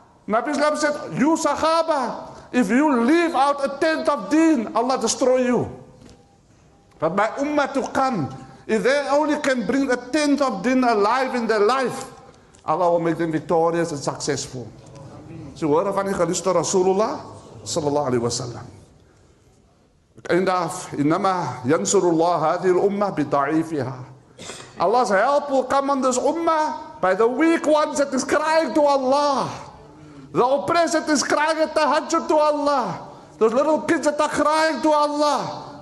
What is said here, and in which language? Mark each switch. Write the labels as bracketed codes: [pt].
[en] Nabi Islam said, you sahaba, if you leave out a tent of deen, Allah destroy you. But my ummah to come, if they only can bring a tenth of din alive in their life, Allah will make them victorious and successful. So what if I call to Rasulullah sallallahu alayhi wa sallam? [ar] إنما ينصر الله هذه الأمة بضعيفها. [en] Allah's help will come on this ummah by the weak ones that is crying to Allah. The oppressed that is crying at the tahajjud to Allah. Those little kids that are crying to Allah.